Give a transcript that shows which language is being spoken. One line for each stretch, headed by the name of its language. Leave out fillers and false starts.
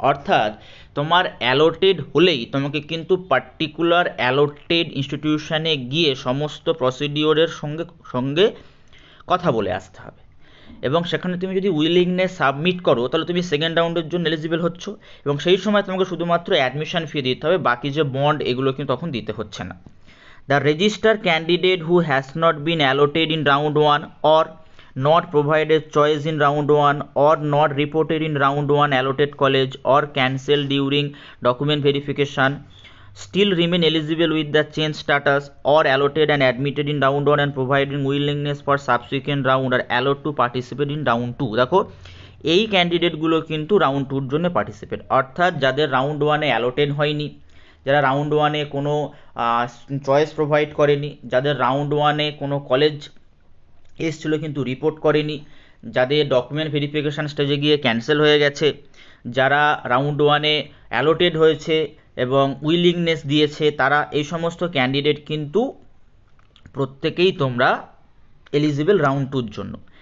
Bangla: অর্থাৎ তোমার অ্যালোটেড হলেই তোমাকে কিন্তু পার্টিকুলার অ্যালোটেড ইনস্টিটিউশনে গিয়ে সমস্ত প্রসিডিওরের সঙ্গে সঙ্গে কথা বলে আসতে হবে, এবং সেখানে তুমি যদি উইলিংনেস সাবমিট করো তাহলে তুমি সেকেন্ড রাউন্ডের জন্য এলিজিবল হচ্ছ, এবং সেই সময় তোমাকে শুধুমাত্র অ্যাডমিশন ফি দিতে হবে, বাকি যে বন্ড এগুলো কিন্তু তখন দিতে হচ্ছে না।
English: The register candidate who has not been allotted in round one or not provided choice in round 1 or not reported in round 1 allotted college or cancelled during document verification still remain eligible with the change status or allotted and admitted in round 1 and providing willingness for subsequent round or allowed to participate in round 2।
Bangla: দেখো এই ক্যান্ডিডেটগুলো কিন্তু round টুর জন্য participate, অর্থাৎ যাদের round ওয়ানে allotted হয়নি, যারা round ওয়ানে কোনো চয়েস প্রোভাইড করেনি, যাদের রাউন্ড ওয়ানে কোনো কলেজ এসছিলো কিন্তু রিপোর্ট করেনি, যাদের ডকুমেন্ট ভেরিফিকেশান স্টেজে গিয়ে ক্যান্সেল হয়ে গেছে, যারা রাউন্ড ওয়ানে অ্যালোটেড হয়েছে এবং উইলিংনেস দিয়েছে, তারা এই সমস্ত ক্যান্ডিডেট কিন্তু প্রত্যেকেই তোমরা এলিজিবল রাউন্ড টুর জন্য।